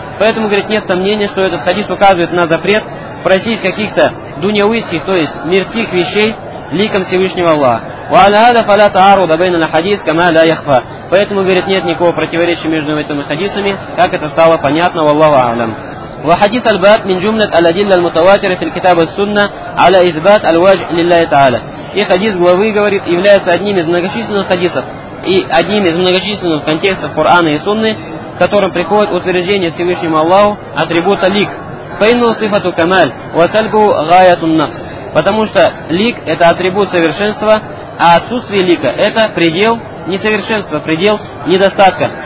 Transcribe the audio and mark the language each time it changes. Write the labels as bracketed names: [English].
[Russian] Поэтому, говорит, нет сомнения, что этот хадис указывает на запрет просить каких-то дуньяуйских, то есть мирских вещей, ликом Всевышнего Аллаха. [Arabic] وَعَلَهَدَ فَلَا تَعَرُضَ بَيْنَ الْحَدِيثِ كَمَا لَا يَخْفَى. [Russian] Поэтому, говорит, нет никакого противоречия между этими хадисами, как это стало понятно, [Arabic] والله أعلم. وحديث الباب من جملة الأدلة المتواترة في الكتاب والسنة على إثبات الواجب لله تعالى. [Russian] И хадис главы, говорит, является одним из многочисленных хадисов и одним из многочисленных контекстов Корана и Сунны, в котором приходит утверждение Всевышнему Аллаху атрибута лик. [Arabic] فَإِنَّهُ صِفَةُ كَمَالٍ وَسَلْبُهُ غَايَةُ النَّقْصِ. [Russian] Потому что лик – это атрибут совершенства, а отсутствие лика – это предел несовершенства, предел недостатка.